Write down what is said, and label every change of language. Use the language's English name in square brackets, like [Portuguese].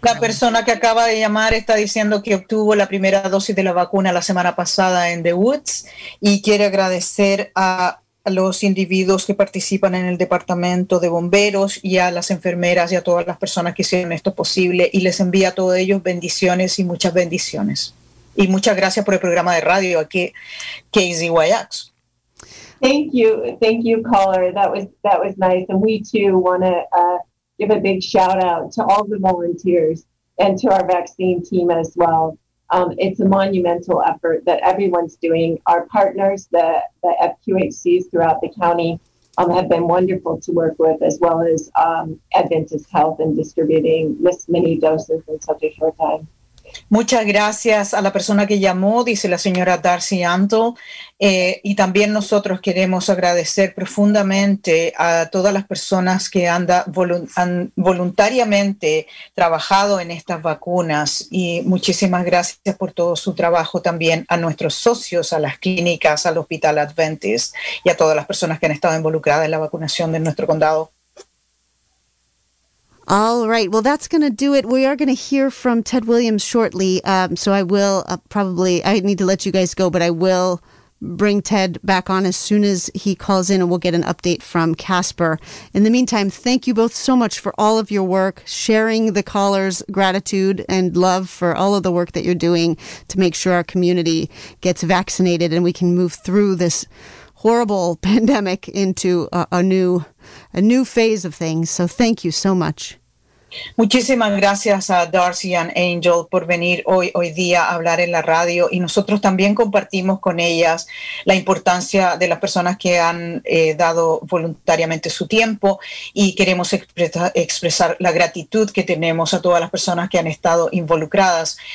[Spanish] La persona que acaba de llamar está diciendo que obtuvo la primera dosis de la vacuna la semana pasada en The Woods y quiere agradecer a los individuos que participan en el departamento de bomberos y a las enfermeras y a todas las personas que hicieron esto posible y les envía a todos ellos bendiciones y muchas bendiciones. Y muchas gracias por el programa de radio aquí, KZYX. [English] Thank you, caller. That was nice. And we too want to give a big shout out to all the volunteers and to our vaccine team as well. It's a monumental effort that everyone's doing. Our partners, the FQHCs throughout the county, have been wonderful to work with, as well as Adventist Health in distributing this many doses in such a short time. [Spanish] Muchas gracias a la persona que llamó, dice la señora Darcy Anto, y también nosotros queremos agradecer profundamente a todas las personas que han voluntariamente trabajado en estas vacunas, y muchísimas gracias por todo su trabajo también a nuestros socios, a las clínicas, al Hospital Adventist y a todas las personas que han estado involucradas en la vacunación de nuestro condado. [English] All right. Well, that's going to do it. We are going to hear from Ted Williams shortly. So I will probably, I need to let you guys go, but I will bring Ted back on as soon as he calls in, and we'll get an update from Casper. In the meantime, thank you both so much for all of your work, sharing the caller's gratitude and love for all of the work that you're doing to make sure our community gets vaccinated and we can move through this horrible pandemic into a new phase of things. So thank you so much. [Spanish] Muchísimas gracias a Darcy and Angel por venir hoy día a hablar en la radio, y nosotros también compartimos con ellas la importancia de las personas que han dado voluntariamente su tiempo, y queremos expresar la gratitud que tenemos a todas las personas que han estado involucradas.